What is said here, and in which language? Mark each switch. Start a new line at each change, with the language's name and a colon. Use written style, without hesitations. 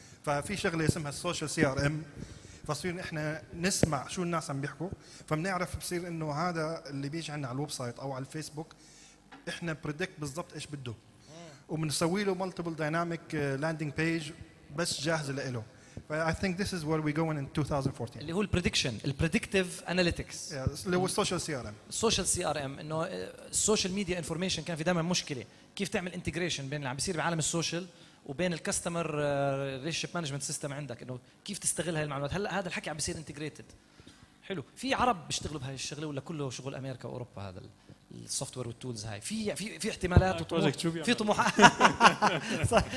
Arabic: ففي شغله اسمها السوشيال سي ار ام، فصير احنا نسمع شو الناس عم بيحكوا، فبنعرف بصير انه هذا اللي بيجي عندنا على الويب سايت او على الفيسبوك احنا بريدكت بالضبط ايش بده، وبنسوي له مالتيبل دايناميك لاندنج بيج بس جاهز له.
English: I think this is where we're going in 2014.
Arabic: اللي هو البريدكشن، البريدكتيف اناليتكس. اللي هو السوشيال سي ار ام. السوشيال سي ار ام انه السوشيال ميديا انفورميشن كان في دائما مشكله، كيف تعمل انتجريشن بين اللي عم بيصير بعالم السوشيال وبين الكاستمر ريليشن مانجمنت سيستم عندك، انه كيف تستغل هاي المعلومات. هلا هذا الحكي عم بيصير انتجريتد. حلو، في عرب بيشتغلوا بهاي الشغله ولا كله شغل امريكا واوروبا هذا السوفت وير والتولز هاي؟ في في في احتمالات وطموح، في طموح صح.